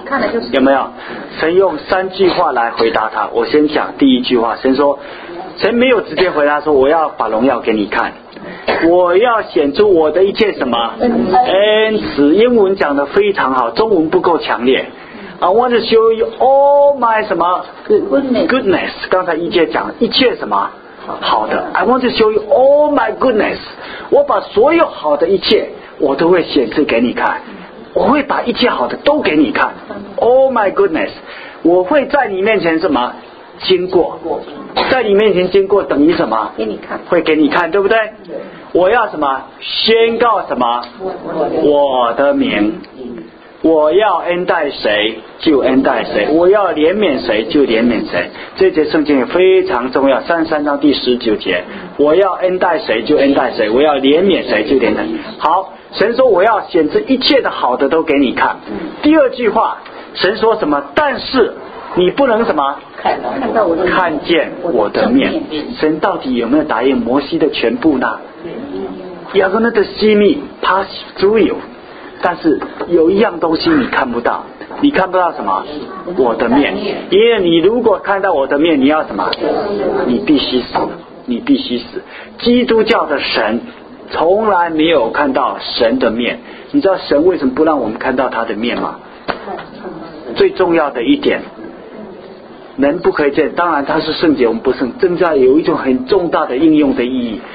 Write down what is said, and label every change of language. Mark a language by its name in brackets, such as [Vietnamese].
[Chinese] 看了就是。有没有？神用三句话来回答他。我先讲第一句话，神说，神没有直接回答说我要把荣耀给你看，我要显出我的一切什么恩慈。英文讲得非常好，中文不够强烈。 [English] I want to show you all my [Chinese] 什么 [English] goodness。 [Chinese] 刚才一切讲一切什么好的。 [English] I want to show you all my goodness。 [Chinese] 我把所有好的一切我都会显示给你看，我会把一切好的都给你看。 [English] All my goodness。 [Chinese] 我会在你面前什么经过，在你面前经过等于什么？给你看，会给你看，对不对？我要什么宣告什么？我的名。我要恩待谁就恩待谁，我要怜悯谁就怜悯谁。这节圣经也非常重要，三十三章第十九节，我要恩待谁就恩待谁，我要怜悯谁就怜悯。好，神说我要显示一切的好的都给你看。第二句话，神说什么？但是你不能什么看见我的面。神到底有没有答应摩西的全部呢？ [English] You're going to see me pass through you。 [Chinese] 但是有一样东西你看不到，你看不到什么？我的面。因为你如果看到我的面，你要什么？你必须死，你必须死。基督教的神从来没有看到神的面。你知道神为什么不让我们看到他的面吗？最重要的一点，人不可以见，当然他是圣洁，我们不圣，正在有一种很重大的应用的意义。